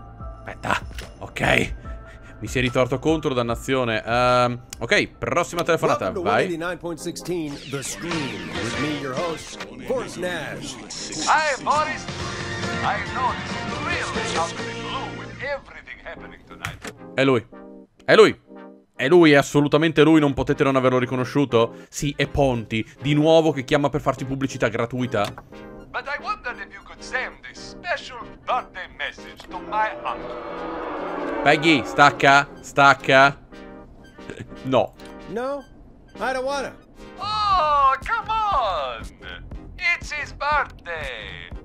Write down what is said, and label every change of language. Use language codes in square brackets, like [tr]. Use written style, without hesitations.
[it] Aspetta, ok. Mi si è ritorto contro, dannazione. Ok, prossima telefonata, [en] vai. Welcome to 89.16, The Scream. With me, your host, Forrest Nash. Hi, Forrest. I know this is really something blue with everything happening tonight. [it] È lui. È lui. È lui, è assolutamente lui, non potete non averlo riconosciuto. Sì, è Ponti, di nuovo, che chiama per farti pubblicità gratuita. [en] But I wondered if you could send this special birthday message to my uncle. [it] Peggy, stacca, stacca. No. [en] No, I don't wanna. Oh, come on! It's his birthday.